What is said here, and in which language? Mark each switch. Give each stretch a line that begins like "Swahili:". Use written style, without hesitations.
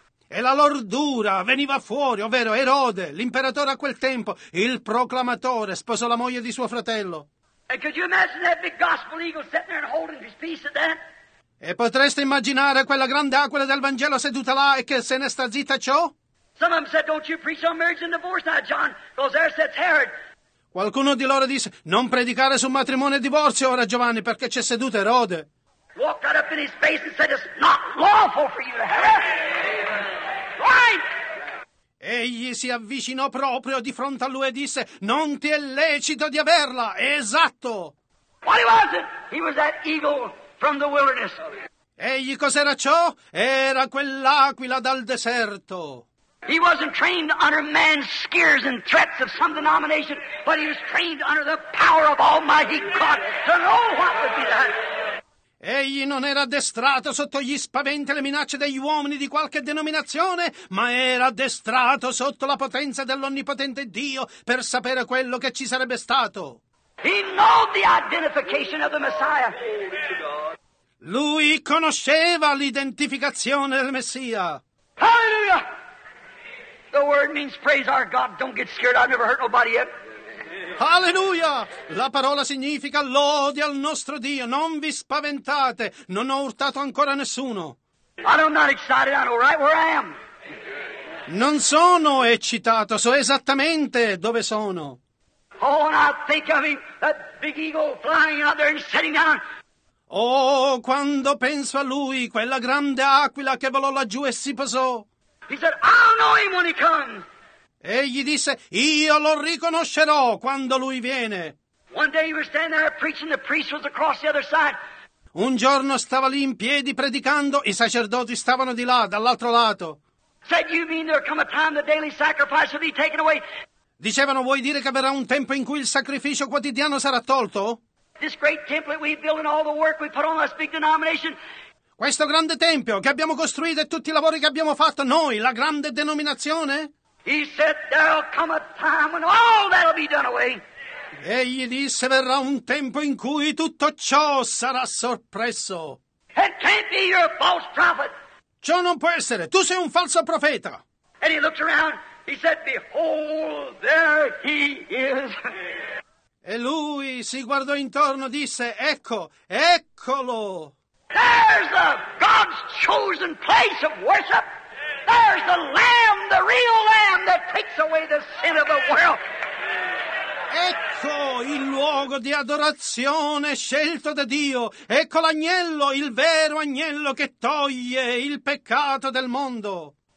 Italian: E la lordura veniva fuori, ovvero Erode, l'imperatore a quel tempo, il proclamatore, sposò la moglie di suo fratello.
English: And could you imagine that big gospel eagle sitting there and holding his peace at that?
Italian: E potreste immaginare quella grande aquila del Vangelo seduta là e che se ne sta zitta ciò?
English: Some of them said, "Don't you preach on marriage and divorce now, John, because there sits Herod."
Italian: Qualcuno di loro disse, "Non predicare su matrimonio e divorzio ora, Giovanni, perché c'è seduto Erode."
English: Walked right up in his face and said, "It's not lawful for you to have it." Right!
Italian: Egli si avvicinò proprio di fronte a lui e disse, non ti è lecito di averla, è esatto.
English: What was it? He was that eagle from the wilderness.
Italian: Egli cos'era ciò? Era quell'aquila dal deserto.
English: He wasn't trained under man's scares and threats of some denomination, but he was trained under the power of Almighty God to know what would be that.
Italian: Egli non era addestrato sotto gli spaventi e le minacce degli uomini di qualche denominazione, ma era addestrato sotto la potenza dell'Onnipotente Dio per sapere quello che ci sarebbe stato.
English: He knew the identification of the Messiah.
Italian: Lui conosceva l'identificazione del Messia.
English: Hallelujah! The word means praise our God. Don't get scared. I've never hurt nobody yet.
Italian: Alleluia! La parola significa lode al nostro Dio. Non vi spaventate. Non ho urtato ancora nessuno.
English: I'm not excited. I know right where I am.
Italian: Non sono eccitato. So esattamente dove sono.
English: Oh, and I think of him, that big eagle flying out there and sitting down.
Italian: Oh, quando penso a lui, quella grande aquila che volò laggiù e si posò.
English: He said, "I'll know him when he comes."
Italian: Egli disse, io lo riconoscerò quando lui viene.
English: One day he was standing there preaching, the priest was across the other side.
Italian: Un giorno stava lì in piedi predicando, i sacerdoti stavano di là, dall'altro lato.
English: Said, "You mean there'll come a time the daily sacrifice will be taken away?"
Italian: Dicevano, vuoi dire che verrà un tempo in cui il sacrificio quotidiano sarà tolto?
English: This great temple we built and all the work we put on this big denomination.
Italian: Questo grande tempio che abbiamo costruito e tutti i lavori che abbiamo fatto noi, la grande denominazione?
English: He said, "There'll come a time when all that'll be done away."
Italian: Egli disse, verrà un tempo in cui tutto ciò sarà soppresso.
English: It can't be your false prophet.
Italian: Ciò non può essere, tu sei un falso profeta.
English: And he looked around, he said, behold, there he is.
Italian: E lui si guardò intorno e disse, ecco, eccolo.
English: There's the God's chosen place of worship. There's the Lamb, the real Lamb that takes away the sin of the world.
Italian: Ecco il luogo di adorazione scelto da Dio. Ecco l'agnello, il vero agnello che toglie il peccato del mondo.